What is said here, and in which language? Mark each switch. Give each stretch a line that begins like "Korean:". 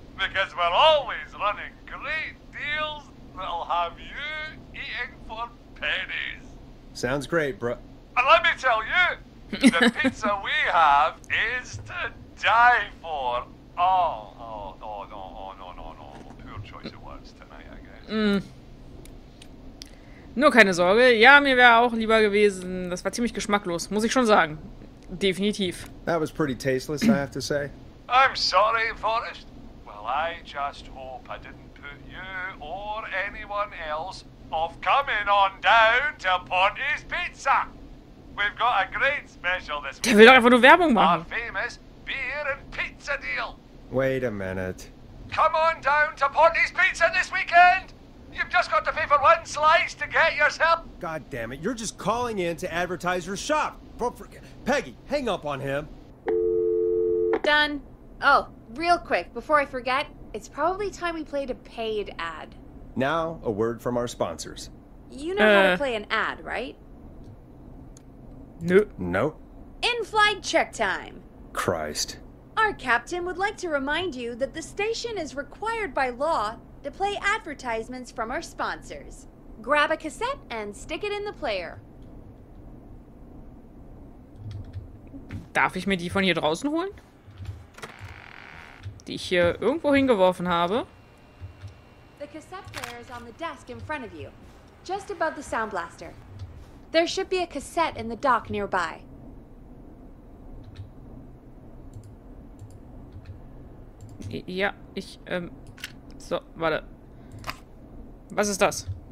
English: Because we're always running great deals that'll have you eating for pennies. Sounds great, bro. And let me tell you, the pizza we have is to die for. Oh, no. Poor choice of words tonight, I guess.
German: Nur keine Sorge. Ja, mir wäre auch lieber gewesen. Das war ziemlich geschmacklos, muss ich schon sagen. Definitiv.
English: That was pretty tasteless, I have to say. I'm sorry, Forrest. Well, I just hope I didn't put you or anyone else off coming on down to Ponte's Pizza. We've got a great special this week.
German: Der will doch einfach nur Werbung machen.
English: Our famous beer and pizza deal. Wait a minute. Come on down to Ponte's Pizza this weekend. You've just got to pay for one slice to get yourself. God damn it. You're just calling in to advertise your shop. Peggy, hang up on him. Done. Oh, real quick, before I forget, it's probably time we played a paid ad. Now, a word from our sponsors. You know how to play an ad, right? Nope. In-flight check time. Christ. Our captain would like to remind you that the station is required by law to play advertisements from our sponsors. Grab a cassette and stick it in the player.
German: Darf ich mir die von hier draußen holen? Die ich hier irgendwo hingeworfen habe?
English: The cassette player is on the desk in front of you, just above the sound blaster. There should be a cassette in the dock nearby.
German: Ja, ich, so, warte. Was ist das?